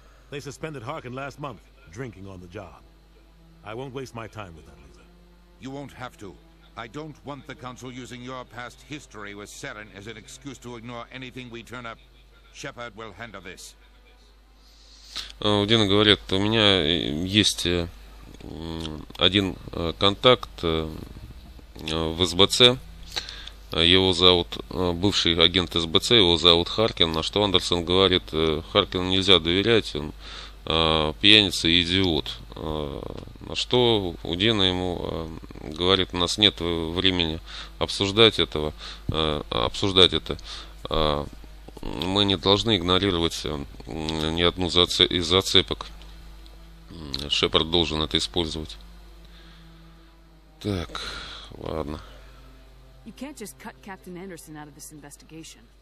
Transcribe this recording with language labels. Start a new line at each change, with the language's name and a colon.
English: They suspended Harkin last month, drinking on the job. I won't waste my time with that. You won't have to. I don't want the council using your past history with Saren as an excuse to ignore anything we turn up. Shepard will handle this.
Russian: Удина говорит, у меня есть один контакт в СБЦ. Его зовут бывший агент СБЦ, его зовут Харкин. На что Андерсон говорит, Харкину нельзя доверять, он пьяница и идиот. На что Удина ему говорит, у нас нет времени обсуждать это. Мы не должны игнорировать ни одну из зацепок. Шепард должен это использовать. Так, ладно.
English: You can't just cut Captain Anderson out of this investigation.